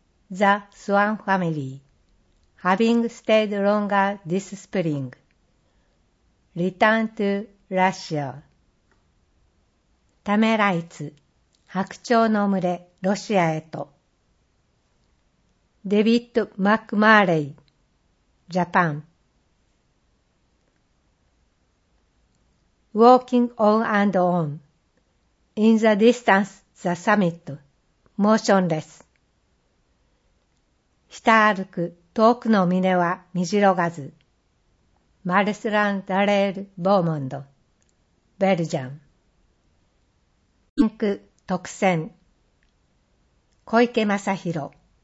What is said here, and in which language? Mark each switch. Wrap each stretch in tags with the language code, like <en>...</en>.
<en>The Swan Family, having stayed longer this spring, return to Russia.</en> <ja>ためらいつ、白鳥の群れ、ロシアへと。デビッド・マクマーレイ、ジャパン。</ja> <en>Walking on and on, in the distance the summit, motionless.</en> <ja>下歩く遠くの峰は見じろがず。マルスラン・ダレール・ボーモンド、ベルジャン。インク特選、小池正弘。</ja>